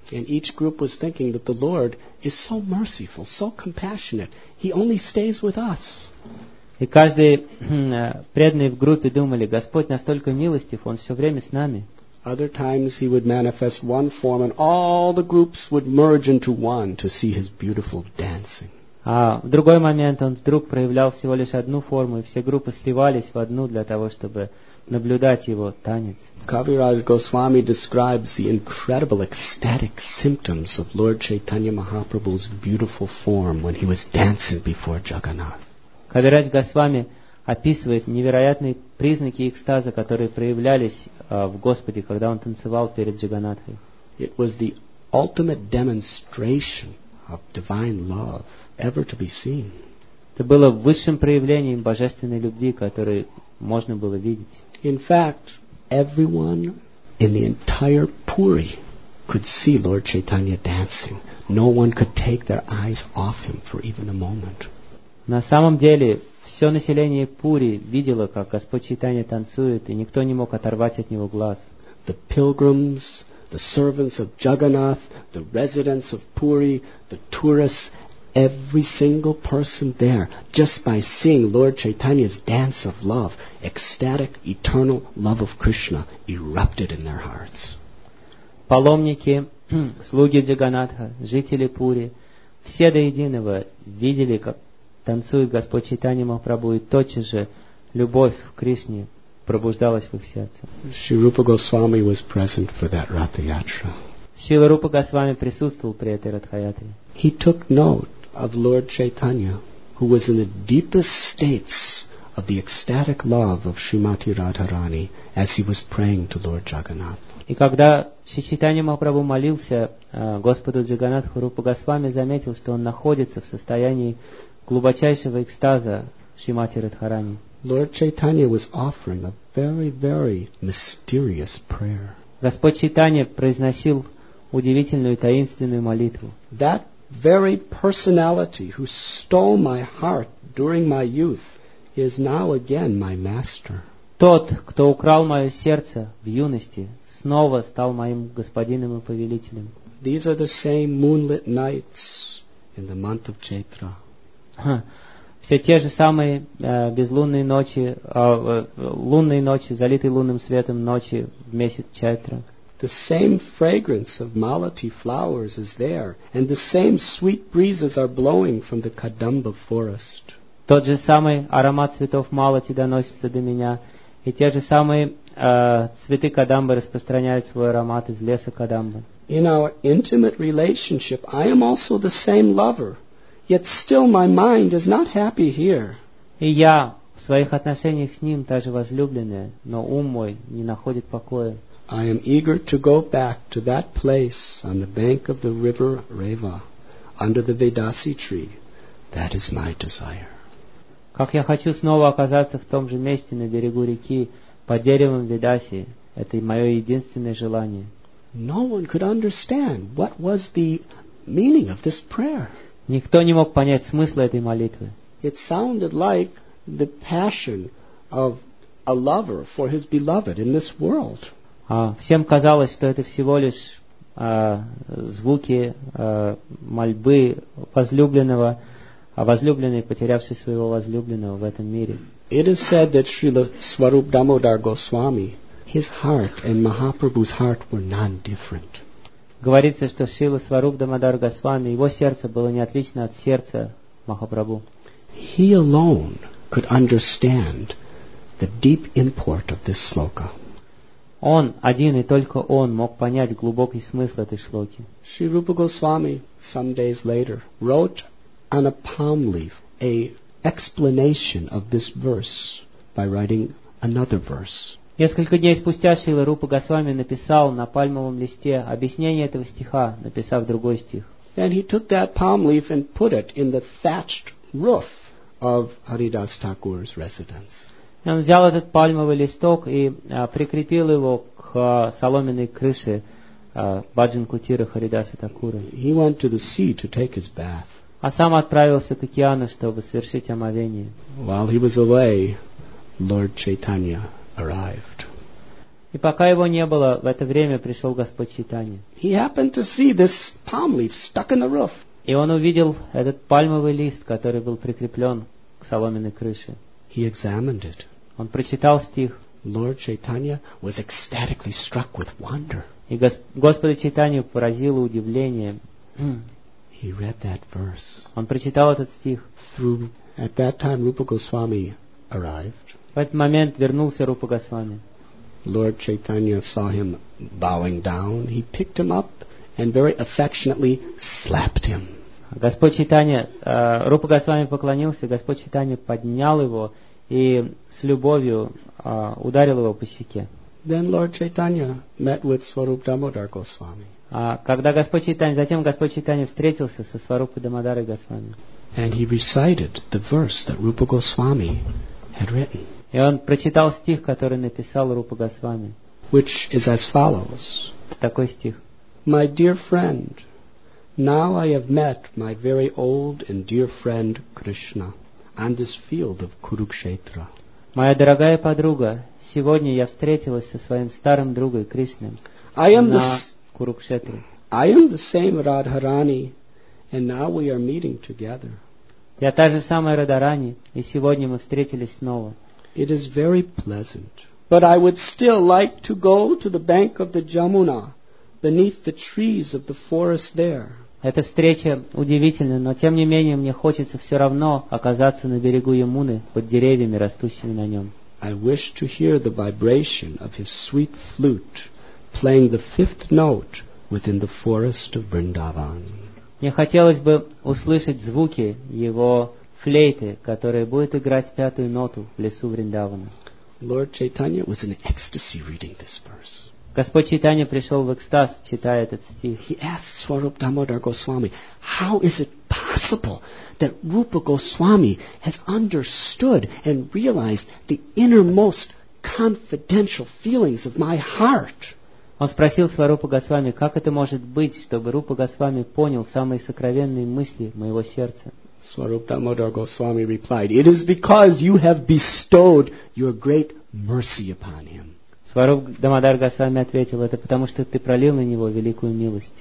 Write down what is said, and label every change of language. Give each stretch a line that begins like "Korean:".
English: And each group was thinking that the Lord is so merciful, so compassionate, He only stays with us.
Russian: И каждый преданный в группе думали, Господь настолько милостив, Он все время с нами.
English: Other times He would manifest one form and all the groups would merge into one to see His beautiful dancing.
Russian: А в другой момент он вдруг проявлял всего лишь одну форму, и все группы сливались в одну для того, чтобы наблюдать его танец.
English: Kaviraj Goswami describes the incredible ecstatic symptoms of Lord Chaitanya Mahaprabhu's beautiful form when he was dancing before Jagannath.
Russian: Kaviraj Goswami описывает невероятные признаки экстаза, которые проявлялись в Господе, когда он танцевал перед Джаганатхой.
English: It was the ultimate demonstration of divine love ever to be seen.
Russian: Это было высшим проявлением божественной любви, которое можно было видеть.
English: In fact, everyone in the entire Puri could see Lord Chaitanya dancing. No one could take their eyes off him for even a moment.
Russian: На самом деле, все население Пури видело, как Господь Чайтанья танцует, и никто не мог оторвать от него глаз.
English: The pilgrims, the servants of Jagannath, the residents of Puri, the tourists, every single person there, just by seeing Lord Chaitanya's dance of love, ecstatic, eternal love of Krishna erupted in their hearts.
Russian: Паломники, слуги Джаганатха, жители Пури, все до единого видели, как танцует Господь Чайтанья Махапрабху, и тотчас же любовь к Кришне пробуждалась в их сердце.
English: Shri Rupa Goswami was present for that Ratha Yatra.
Russian: Шрила Рупа Госвами присутствовал при этой Радхаятре.
English: He took note of Lord Chaitanya, who was in the deepest states of the ecstatic love of Srimati Radharani as he was praying to Lord Jagannath.
Russian: И когда Шри Чайтанья Махапрабху молился Господу Джаганнатху, Рупа Госвами заметил, что он находится в состоянии глубочайшего экстаза Шримати Радхарани.
English: Lord Chaitanya was offering a very, very mysterious prayer.
Russian: Господь Чайтанья произносил удивительную таинственную молитву.
English: That very personality who stole my heart during my youth is now again my master.
Russian: Тот, кто украл мое сердце в юности, снова стал моим господином и повелителем.
English: These are the same moonlit nights in the month of Chaitra.
Russian: Все те же самые безлунные ночи, лунные ночи, залитые лунным светом ночи в месяц Чайтра.
English: The same fragrance of Malati flowers is there, and the same sweet breezes are blowing from the Kadamba forest.
Russian: Тот же самый аромат цветов Малати доносится до меня, и те же самые цветы Кадамбы распространяют свой аромат из леса Кадамбы.
English: In our intimate relationship, I am also the same lover. Yet still my mind is not happy here.
Russian: И я в своих отношениях с ним та же возлюбленная, но ум мой не находит покоя.
English: I am eager to go back to that place on the bank of the river Reva, under the Vedasi tree. That is my desire.
Russian: Как я хочу снова оказаться в том же месте на берегу реки под деревом Ведаси. Это мое единственное желание.
English: No one could understand what was the meaning of this prayer.
Russian: Никто не мог понять смысла этой молитвы.
English: It sounded like the passion of a lover for his beloved in this world.
Russian: Всем казалось, что это всего лишь звуки мольбы возлюбленного, возлюбленной, потерявшей своего возлюбленного в этом мире.
English: It is said that Srila Swarup Damodar Goswami, his heart and Mahaprabhu's heart were non-different.
Russian: Говорится, что Шрила Сваруп Дамодар Госвами, его сердце было не отлично от сердца Махапрабху.
English: He alone could understand the deep import of this sloka.
Russian: Он один и только он мог понять глубокий смысл этой шлоки.
English: Шри Рупа Госвами some days later wrote on a palm leaf a explanation of this verse by writing another verse.
Russian: Несколько дней спустя Шрила Рупа Госвами написал на пальмовом листе объяснение этого стиха, написав другой стих.
English: Then he took that palm leaf and put it in the thatched roof of Haridas Thakur's residence.
Russian: И он взял этот пальмовый листок и прикрепил его к соломенной крыше баджан-кутира Харидаса Такура.
English: He went to the sea to take his bath.
Russian: А сам отправился к океану, чтобы совершить омовение.
English: While he was away, Lord Chaitanya arrived.
Russian: И пока его не было, в это время пришел Господь Чайтанья.
English: He happened to see this palm leaf stuck in the roof.
Russian: И он увидел этот пальмовый лист, который был прикреплен к соломенной крыше.
English: He examined it.
Russian: Он прочитал стих.
English: Lord Chaitanya was ecstatically struck with wonder.
Russian: И Господа Чайтанью поразило удивление.
English: He read that verse.
Russian: Он прочитал этот стих.
English: Through, at that time, Rupa Goswami arrived.
Russian: В этот момент вернулся Рупа Госвами.
English: Lord Chaitanya saw him bowing down. He picked him up and very affectionately slapped him.
Russian: Господь Чайтанья, Рупа Госвами поклонился, Господь Чайтанья поднял его и с любовью ударил его по щеке.
English: Then Lord Chaitanya met with Swarup Damodar Goswami.
Russian: Когда Господь Чайтанья, затем Господь Чайтанья встретился со Сварупой Дамодарой Госвами.
English: And he recited the verse that Rupa Goswami had written.
Russian: И он прочитал стих, который написал Рупа Госвами.
English: Which is as follows.
Russian: Такой стих.
English: My dear friend, now I have met my very old and dear friend Krishna on this field of Kurukshetra.
Russian: Моя дорогая подруга, сегодня я встретилась со своим старым другом Кришной на Курукшетре.
English: I am the same Радхарани, and now we are meeting together.
Russian: Я та же самая Радхарани, и сегодня мы встретились снова.
English: It is very pleasant, but I would still like to go to the bank of the Jamuna. Beneath the trees of the forest there.
Russian: Эта встреча удивительна, но тем не менее мне хочется все равно оказаться на берегу Ямуны под деревьями, растущими на нем.
English: I wish to hear the vibration of his sweet flute playing the fifth note within the forest of Vrindavan.
Russian: Мне хотелось бы услышать звуки его флейты, которая будет играть пятую ноту в лесу Вриндавана.
English: Lord Chaitanya was in ecstasy reading this verse.
Russian: Господь Чайтанья пришел в экстаз, читая этот стих.
English: He asked Swarup Damodar Goswami, how is it possible that Rupa Goswami has understood and realized the innermost confidential feelings of my heart?
Russian: Он спросил Сварупа Госвами, как это может быть, чтобы Рупа Госвами понял самые сокровенные мысли моего сердца.
English: Сварупа Дамодар Госвами replied, it is because you have bestowed your great mercy upon him.
Russian: Сварупа Дамодар Госвами ответил, это потому что ты пролил на него великую милость.